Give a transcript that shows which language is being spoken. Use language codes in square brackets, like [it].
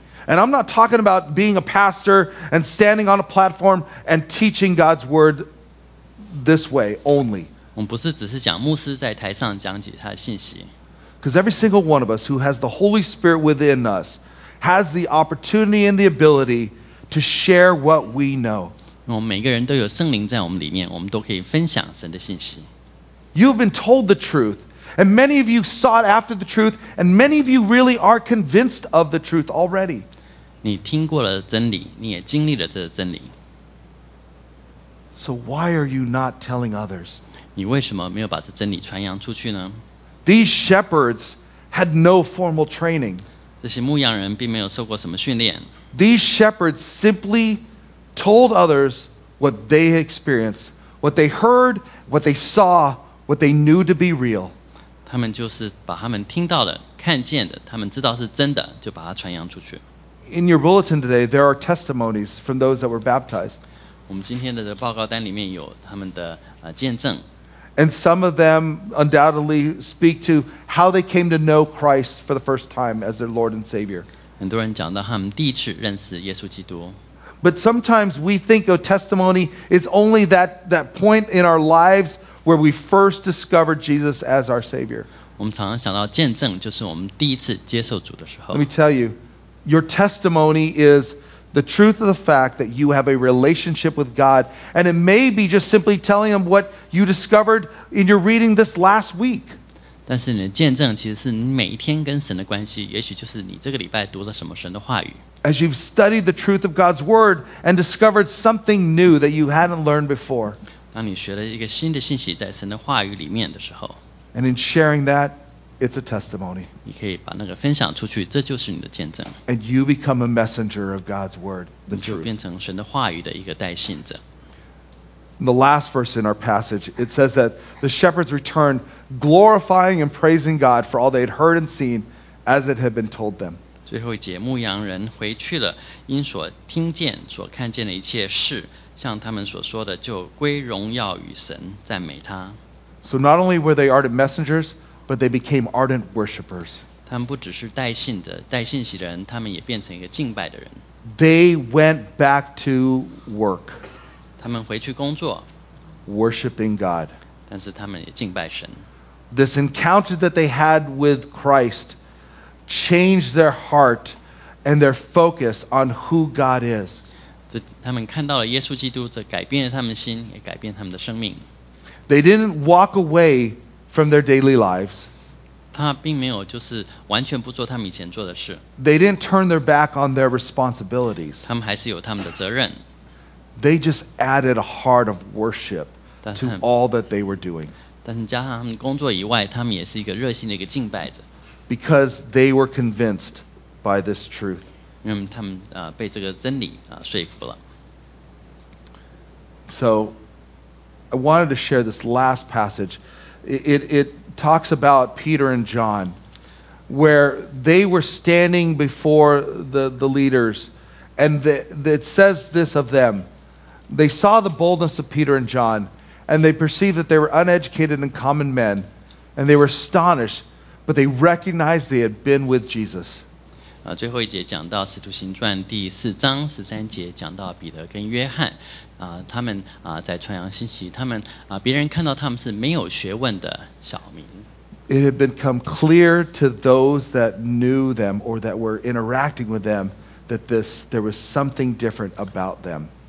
[en] And I'm not talking about being a pastor and standing on a platform and teaching God's word this way only [zh] 我们不是只是讲牧师在台上讲解他的信息 [en] Because every single one of us who has the Holy Spirit within us has the opportunity and the ability to share what we know. [zh] 我们每个人都有圣灵在我们里面，我们都可以分享神的信息。 [en] You've been told the truth, and many of you sought after the truth, and many of you really are convinced of the truth already. [zh] 你听过了真理，你也经历了这个真理。 [en] So why are you not telling others? [zh] 你为什么没有把这真理传扬出去呢？ [en] These shepherds had no formal training. [zh] 这些牧羊人并没有受过什么训练。 [en] These shepherds simply told others what they experienced, what they heard, what they saw, what they knew to be real. [zh] 他们就是把他们听到的、看见的、他们知道是真的，就把它传扬出去。 [en] In your bulletin today, there are testimonies from those that were baptized. [zh] 我们今天的报告单里面有他们的见证。 [en] And some of them undoubtedly speak to how they came to know Christ for the first time as their Lord and Savior. [zh] 很多人讲到他们第一次认识耶稣基督。 [en] But sometimes we think a testimony is only that point in our lives where we first discovered Jesus as our Savior. [zh] 我们常常想到见证就是我们第一次接受主的时候。 [en] Let me tell you, your testimony is... The truth of the fact that you have a relationship with God, and it may be just simply telling Him what you discovered in your reading this last week. [zh] 但是你的见证其实是你每一天跟神的关系，也许就是你这个礼拜读了什么神的话语。 [en] As you've studied the truth of God's word and discovered something new that you hadn't learned before. [zh] 当你学了一个新的信息在神的话语里面的时候。 [en] And in sharing that, it's a testimony. [zh] 你可以把那个分享出去，这就是你的见证。 [en] And you become a messenger of God's word, the truth. [zh] 你就变成神的话语的一个带信者。 [en] The last verse in our passage, it says that the shepherds returned, glorifying and praising God for all they had heard and seen, as it had been told them. [zh] 最后一节，牧羊人回去了，因所听见、所看见的一切事，像他们所说的，就归荣耀与神，赞美他。 [en] So not only were they ardent messengers. But they became ardent worshippers. [zh] 他们不只是带信的、带信息的人，他们也变成一个敬拜的人。 [en] They went back to work. [zh] 他们回去工作。 [en] Worshipping God. [zh] 但是他们也敬拜神。 [en] This encounter that they had with Christ changed their heart and their focus on who God is. [zh] 这他们看到了耶稣基督，这改变了他们的心，也改变他们的生命。 [en] They didn't walk away. From their daily lives. [zh] 他并没有就是完全不做他们以前做的事。 [en] They didn't turn their back on their responsibilities. [zh] 他们还是有他们的责任。 [en] They just added a heart of worship to all that they were doing. [zh] 但是加上他们工作以外，他们也是一个热心的一个敬拜者。 [en] Because they were convinced by this truth. [zh] 因为他们被这个真理说服了。 [en] So, I wanted to share this last passage. It talks about Peter and John, where they were standing before the leaders, and it says this of them. They saw the boldness of Peter and John, and they perceived that they were uneducated and common men, and they were astonished, but they recognized they had been with Jesus. [zh] 最后一节讲到《使徒行传》第四章十三节，讲到彼得跟约翰。他们在传扬信息，他们别人看到他们是没有学问的小民。 [en] It had become clear to those that knew them or that were interacting with them that there was something different about them.